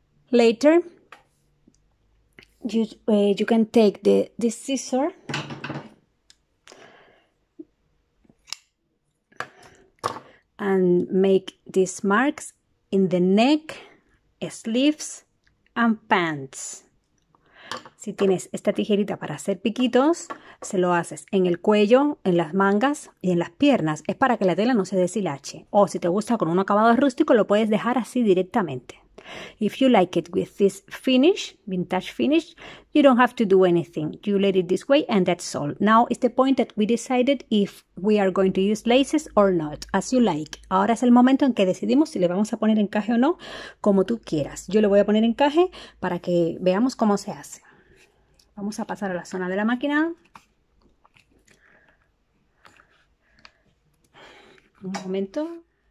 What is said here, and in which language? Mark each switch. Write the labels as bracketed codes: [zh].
[en] Later, you can take the scissor and make these marks in the neck, sleeves and pants. [es] Si tienes esta tijerita para hacer piquitos, se lo haces en el cuello, en las mangas y en las piernas. Es para que la tela no se deshilache. O si te gusta con un acabado rústico, lo puedes dejar así directamente. [en] If you like it with this finish, vintage finish, you don't have to do anything. You let it this way and that's all. Now is the point that we decided if we are going to use laces or not, as you like. [es] Ahora es el momento en que decidimos si le vamos a poner encaje o no, como tú quieras. Yo le voy a poner encaje para que veamos cómo se hace. Vamos a pasar a la zona de la máquina. Un momento.